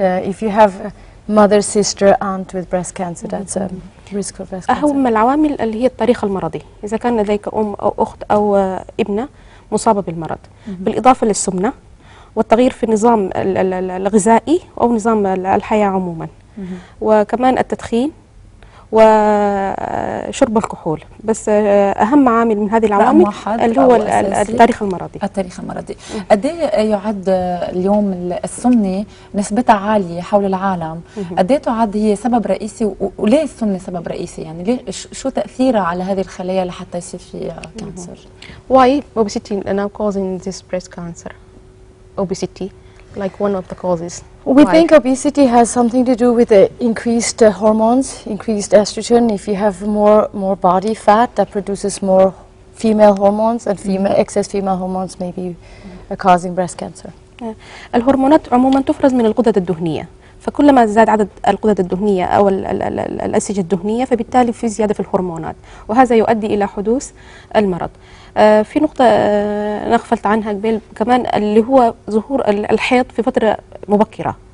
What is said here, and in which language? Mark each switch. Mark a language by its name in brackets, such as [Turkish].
[English] If you have mother, sister, aunt with breast cancer, that's a risk for breast cancer. [Arabic] أهم العوامل اللي هي التاريخ المرضي، إذا كان لديك أم أو أخت أو ابنة مصابة بالمرض، بالإضافة للسمنة والتغيير في النظام الغذائي أو نظام الحياة عموما، وكمان التدخين وشرب الكحول، بس اهم عامل من هذه العوامل اللي هو التاريخ المرضي. التاريخ المرضي قد ايه يعد اليوم السمنه نسبتها عاليه حول العالم؟ قد ايه تعد هي سبب رئيسي وليه السمنه سبب رئيسي؟ يعني ليه شو تاثيرها على هذه الخلايا لحتى يصير فيها كانسر؟ [English] Why obesity now causing this breast cancer? Obesity like one of the causes. We Why? Think obesity has something to do with the increased hormones, increased estrogen. If you have more body fat, that produces more female hormones, and excess female hormones may be causing breast cancer. [Arabic] الهرمونات عموما تفرز من الغدد الدهنية، فكلما زاد عدد الغدد الدهنية أو الأسجة الدهنية فبالتالي في زيادة في الهرمونات وهذا يؤدي إلى حدوث المرض. في نقطة نغفلت عنها قبل كمان اللي هو ظهور الحيض في فترة مبكرة